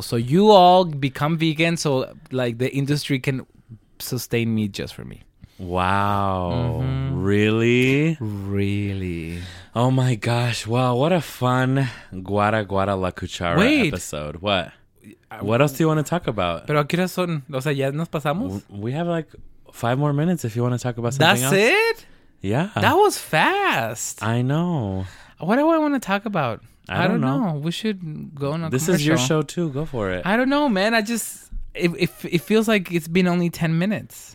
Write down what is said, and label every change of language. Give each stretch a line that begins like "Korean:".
English: So you all become vegan, so like the industry can sustain meat just for me. Wow. Mm-hmm. Really? Really. Oh my gosh. Wow. What a fun Guara Guara La Cuchara episode. What? What else do you want to talk about?
Spanish: Pero aquí son, o sea, ya nos pasamos.
English: We have like 5 more minutes if you want to talk about something That's else. That's it? Yeah. That was fast. I know. What do I want to talk about? I don't know. We should go on a commercial. This is your show too. Go for it. I don't know, man. I just, it feels like it's been only 10 minutes.